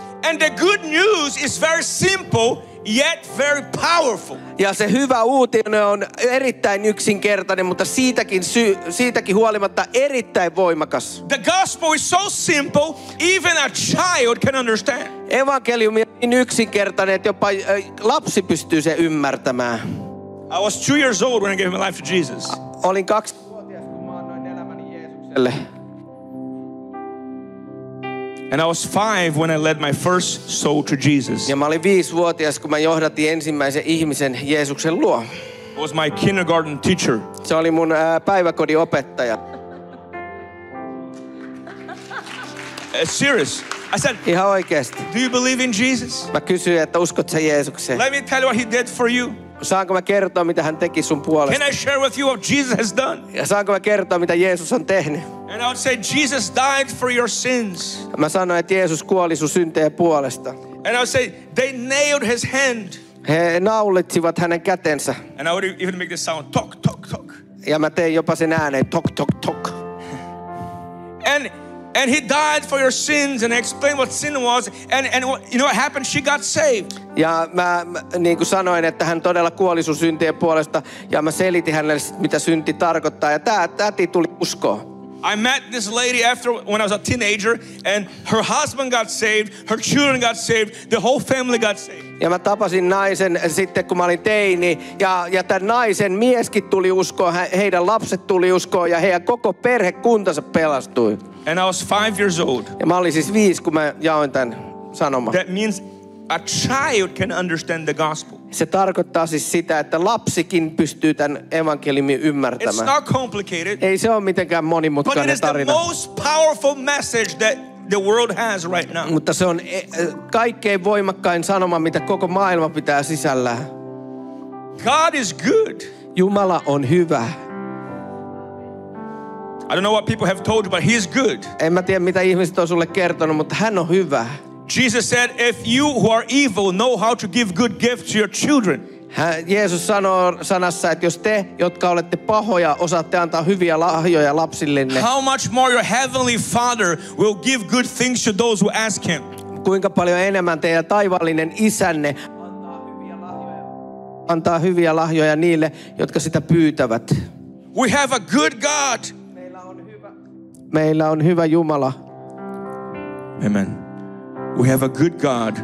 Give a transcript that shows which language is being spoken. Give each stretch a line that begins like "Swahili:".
English: And the good news is very simple yet very powerful.
Finnish: Ja se hyvä uutinen on erittäin yksinkertainen, mutta siitäkin huolimatta erittäin voimakas.
English: The gospel is so simple even a child can understand.
Finnish: Evankeliumi on niin yksinkertainen, että jopa lapsi pystyy sen ymmärtämään.
English: I was 2 years old when I gave my life to Jesus.
Finnish: Olin 2-vuotias, kun mä annoin elämäni Jeesukselle.
English: And I was 5 when I led my first soul to Jesus.
Finnish: Ja mä olin 5-vuotias, kun mä johdatin ensimmäisen ihmisen Jeesuksen luo.
English: It was my kindergarten teacher.
Finnish: Se oli mun päiväkodin opettaja.
English: Serious. I said,
Finnish: ihan oikeasti.
English: Do you believe in Jesus?
Finnish: Mä kysyin, että uskot sä Jeesukseen.
English: Let me tell you what he did for you.
Finnish: Saanko mä kertoa, mitä hän teki sun puolesta?
English: Can I share with you what Jesus has done?
Finnish: Ja saanko mä kertoa, mitä Jeesus on tehnyt?
English: And I would say Jesus died for your sins.
Finnish: Mä sanoin, että Jeesus kuoli sun syntejä puolesta.
English: And I would say they nailed his hand.
Finnish: He naulitsivat hänen kätensä.
English: And I would even make the sound tok tok tok.
Finnish: Ja mä tein jopa sen äänen tok tok tok.
English: And And he died for your sins and explained what sin was and you know what happened? She got saved.
Finnish: Ja mä niin kuin sanoin, että hän todella kuoli sun syntien puolesta ja mä selitin hänelle mitä synti tarkoittaa ja tää täti tuli uskoon.
English: I met this lady after when I was a teenager and her husband got saved, her children got saved, the whole family got saved.
Finnish: Ja mä tapasin naisen sitten kun mä olin teini ja tämän naisen mieskin tuli uskoon, heidän lapset tuli uskoon ja heidän koko perhekuntansa pelastui.
English: And I was 5 years old.
Finnish: Ja mä olin siis 5 kun mä jaoin tämän sanoman.
English: That means a child can understand the gospel.
Finnish: Se tarkoittaa siis sitä, että lapsikin pystyy tämän evankeliumin ymmärtämään.
English: It's not complicated.
Finnish: Ei se ole mitenkään monimutkainen tarina.
English: But it is the most powerful message that the world has right now.
Finnish: Mutta se on kaikkein voimakkain sanoma, mitä koko maailma pitää sisällään.
English: God is good.
Finnish: Jumala on hyvä.
English: I don't know what people have told you, but he's good.
Finnish: En mä tiedä, mitä ihmiset on sulle kertonut, mutta hän on hyvä.
English: Jesus said, if you who are evil know how to give good gifts to your children.
Finnish: Jeesus sanoo sanassa, että jos te, jotka olette pahoja, osaatte antaa hyviä lahjoja lapsillenne.
English: How much more your heavenly father will give good things to those who ask him.
Finnish: Kuinka paljon enemmän teidän taivaallinen isänne antaa hyviä lahjoja niille, jotka sitä pyytävät.
English: We have a good God.
Finnish: Meillä on hyvä Jumala.
English: Amen. We have a good God.